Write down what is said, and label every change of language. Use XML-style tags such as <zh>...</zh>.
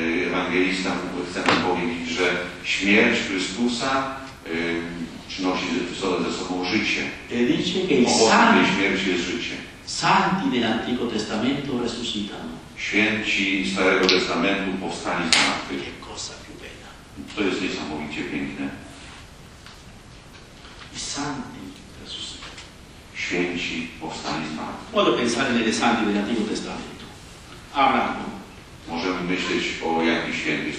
<pl>Ewangelista chce nam powiedzieć, że śmierć Chrystusa przynosi ze sobą życie. Owocem śmierci jest życie.</pl> <it>Santi dell'Antico Testamento resuscitano.</it> <pl>Święci Starego Testamentu powstali z martwych.</pl> <it>Cosa più bella.</it> <pl>To jest niesamowicie piękne.</pl> <it>I santi resuscitano.</it> <pl>Święci powstali z martwych.</pl> <it>Voglio pensare nelle santi dell'Antico Testamento. Abramo.</it> <pl>Możemy myśleć o jakichś świętych</pl>